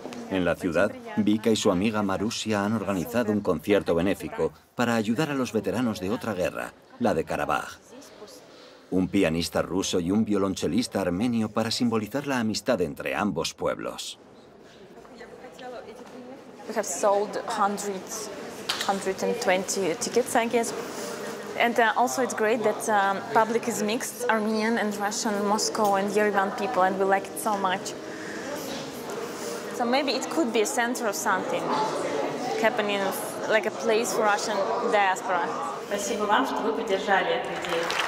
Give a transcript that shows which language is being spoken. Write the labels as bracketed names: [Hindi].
[Spanish] En la ciudad, Vika y su amiga Marusia han organizado un concierto benéfico para ayudar a los veteranos de otra guerra, la de Karabaj. Un pianista ruso y un violonchelista armenio para simbolizar la amistad entre ambos pueblos. [English] We have sold 120 tickets, I guess. And also it's great that public is mixed, Armenian and Russian, Moscow and Yerevan people, and we like it so much. So maybe it could be a center of something happening, like a place for Russian diaspora. [Russian] Спасибо вам, что вы поддержали эту идею.